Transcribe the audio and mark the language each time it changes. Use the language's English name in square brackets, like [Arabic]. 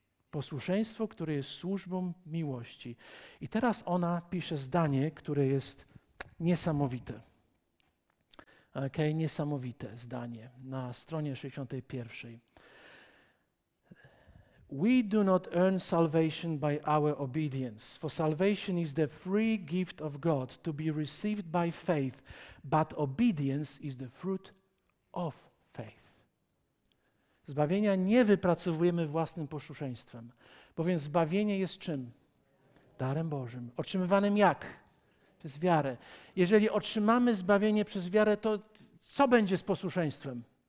[Polish] Posłuszeństwo, które jest służbą miłości. I teraz ona pisze zdanie, które jest niesamowite. Okej, niesamowite zdanie na stronie 61. [English] We do not earn salvation by our obedience, for salvation is the free gift of God to be received by faith, but obedience is the fruit of faith. [Polish] Zbawienia nie wypracowujemy własnym posłuszeństwem, bowiem zbawienie jest czym? Darem Bożym. Otrzymywanym jak? Przez wiarę. Jeżeli otrzymamy zbawienie przez wiarę, to co będzie z posłuszeństwem?